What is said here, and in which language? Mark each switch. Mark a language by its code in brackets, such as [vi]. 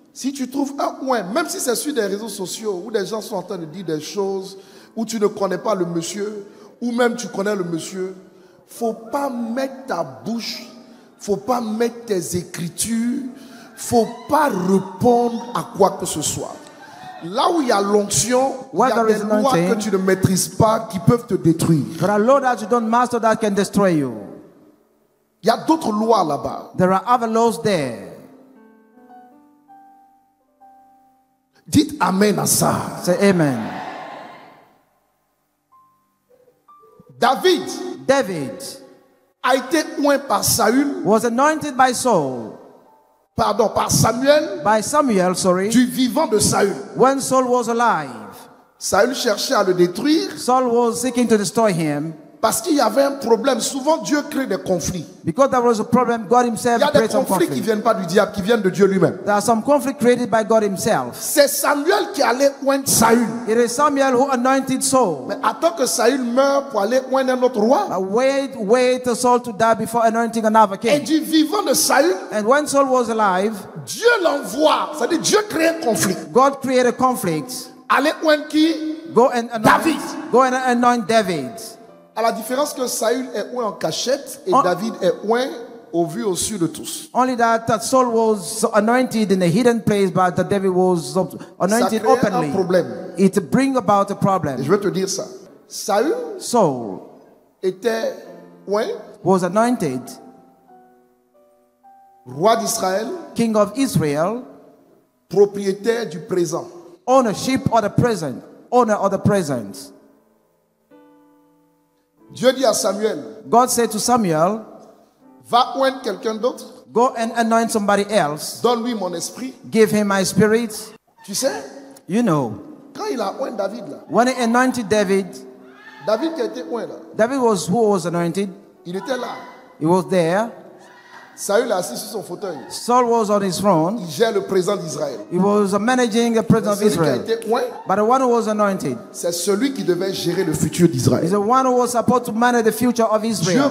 [fr] Si tu trouves un point, même si c'est sur des réseaux sociaux où des gens sont en train de dire des choses où tu ne connais pas le monsieur ou même tu connais le monsieur, faut pas mettre ta bouche, faut pas mettre tes écritures, faut pas répondre à quoi que ce soit. Là où il y a l'onction, il y a des lois que tu ne maîtrises pas qui peuvent te détruire. [en] There are laws that you don't master that can destroy you. [fr] Il y a d'autres lois là-bas. [en] There are other laws there. [fr] Dites amen à ça. [en] Say amen. [fr] David a été oint par Saül. [en] Was anointed by Saul. [fr] Pardon, par Samuel. [en] By Samuel, sorry. [fr] Du vivant de Saül. [en] When Saul was alive. [fr] Saül cherchait à le détruire. [en] Saul was seeking to destroy him. [fr] Parce qu'il y avait un problème. Souvent, Dieu crée des conflits. [en] Because there was a problem, God himself created conflicts. [fr] Il y a des conflits qui viennent pas du diable, qui viennent de Dieu lui-même. [en] There are some conflicts created by God himself. [fr] C'est Samuel qui allait oint Saül. [en] It is Samuel who anointed Saul. [fr] Mais attends que Saül meure pour aller oint un autre roi. [en] But wait for Saul to die before anointing another king. [fr] Et du vivant de Saül. [en] And when Saul was alive, [fr] Dieu l'envoie. C'est-à-dire Dieu crée un conflit. [en] God created a conflict. [fr] Aller oint qui? [en] Go and anoint [fr] David. [en] Go and anoint David. [fr] À la différence que Saül est oint en cachette et David est oint au vu au su de tous. [en] Only that Saul was anointed in a hidden place, but that David was anointed openly. [fr] Ça crée un problème. [en] It bring about a problem. [fr] Et je vais te dire ça. Saul était oint. [en] Was anointed. [fr] Roi d'Israël. [en] King of Israel. [fr] Propriétaire du présent. [en] Ownership of the present. Owner of the present. [fr] Dieu dit à Samuel. [en] God said to Samuel, [fr] va oint quelqu'un d'autre. [en] Go and anoint somebody else. [fr] Donne-lui mon esprit. [en] Give him my spirit. [fr] Tu sais? [en] You know. [fr] Quand il a oint David là. [en] When he anointed David. [fr] David qui a été oint là. [en] David was who was anointed. [fr] Il était là. [en] He was there. [fr] Saül est assis sur son fauteuil. [en] Saul was on his throne. [fr] Il gère le présent d'Israël. [en] He was managing the present of Israel. [fr] C'est celui qui a été oint. [en] But the one who was anointed. [fr] C'est celui qui devait gérer le futur d'Israël. [en] He's the one who was supposed to manage the future of Israel.